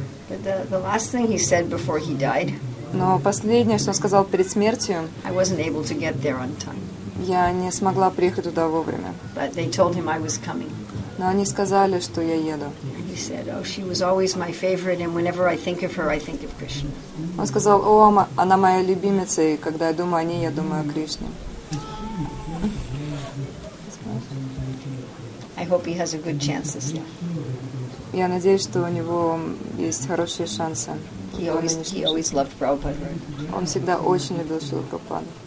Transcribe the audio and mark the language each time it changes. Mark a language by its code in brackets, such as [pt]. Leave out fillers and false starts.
[en] But the last thing he said before he died. [ru] Но последнее, что он сказал перед смертью. [en] I wasn't able to get there on time. [ru] Я не смогла приехать туда вовремя. [en] But they told him I was coming. [ru] Но они сказали, что я еду. [en] He said, "Oh, she was always my favorite, and whenever I think of her, I think of Krishna." [ru] Он сказал, о, она моя любимица, и когда я думаю о ней, я думаю о Кришне. [en] I hope he has a good chance this time. [ru] Я надеюсь, что у него есть хорошие шансы. [en] He always loved Prabhupada. Right? [ru] Он всегда очень любил Шрилу Прабхупаду.